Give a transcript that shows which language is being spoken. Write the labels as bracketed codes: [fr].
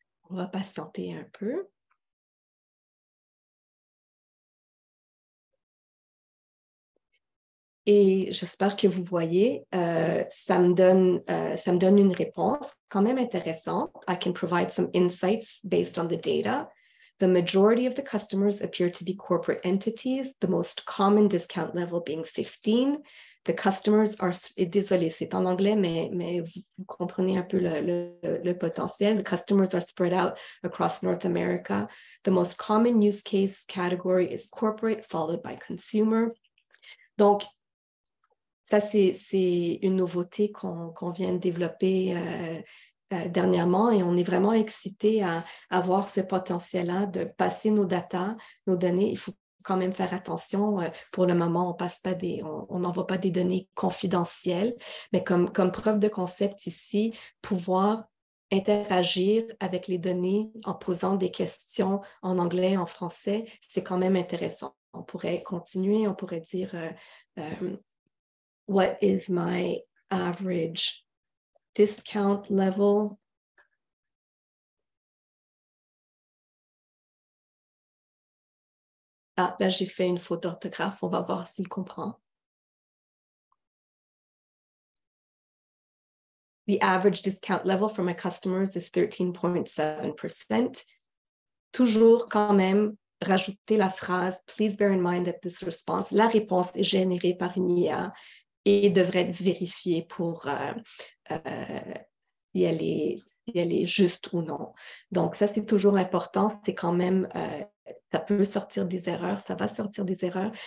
[fr] On va patienter un peu. Et j'espère que vous voyez, ça me donne une réponse quand même intéressante. [en] I can provide some insights based on the data. The majority of the customers appear to be corporate entities, the most common discount level being 15. The customers are, [fr] désolé, c'est en anglais, mais vous comprenez un peu le potentiel. [en] The customers are spread out across North America. The most common use case category is corporate, followed by consumer. [fr] Donc, ça, c'est une nouveauté qu'on vient de développer dernièrement, et on est vraiment excité à voir ce potentiel-là de passer nos data, nos données. Il faut quand même faire attention. Pour le moment, on n'envoie pas des données confidentielles, mais comme preuve de concept ici, pouvoir interagir avec les données en posant des questions en anglais, en français, c'est quand même intéressant. On pourrait continuer, on pourrait dire [en] What is my average discount level? [fr] Ah, là, j'ai fait une faute d'orthographe. On va voir s'il comprend. [en] The average discount level for my customers is 13.7%. [fr] Toujours quand même rajouter la phrase [en] Please bear in mind that this response, [fr] la réponse est générée par une IA et devrait être vérifiée pour si elle est juste ou non. Donc, ça, c'est toujours important. C'est quand même, ça peut sortir des erreurs, ça va sortir des erreurs.